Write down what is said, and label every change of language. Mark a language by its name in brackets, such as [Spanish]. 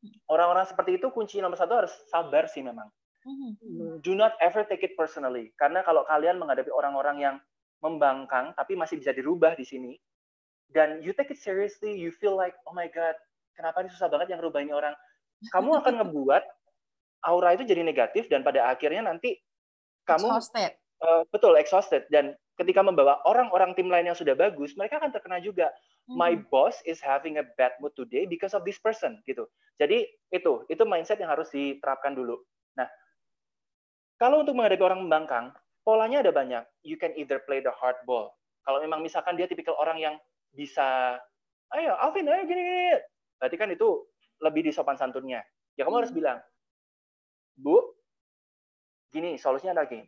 [Indonesian] Orang-orang seperti itu kunci nomor satu harus sabar sih memang. [English] Do not ever take it personally, [Indonesian] karena kalau kalian menghadapi orang-orang yang membangkang tapi masih bisa dirubah di sini, dan [English] you take it seriously, you feel like, oh my god, [Indonesian] kenapa ini susah banget yang rubah ini orang, kamu akan ngebuat aura itu jadi negatif, dan pada akhirnya nanti kamu [English] exhausted. [Indonesian] Betul, exhausted. Dan ketika membawa orang-orang tim lain yang sudah bagus, mereka akan terkena juga. [English] My boss is having a bad mood today because of this person, gitu. [Indonesian] Jadi itu mindset yang harus diterapkan dulu. Nah, kalau untuk menghadapi orang membangkang, polanya ada banyak. [English] You can either play the hard ball. [Indonesian] Kalau memang misalkan dia tipikal orang yang bisa, ayo Alvin, ayo gini-gini. Berarti kan itu lebih di sopan santunnya. Ya kamu harus bilang, Bu, gini, solusinya ada gini.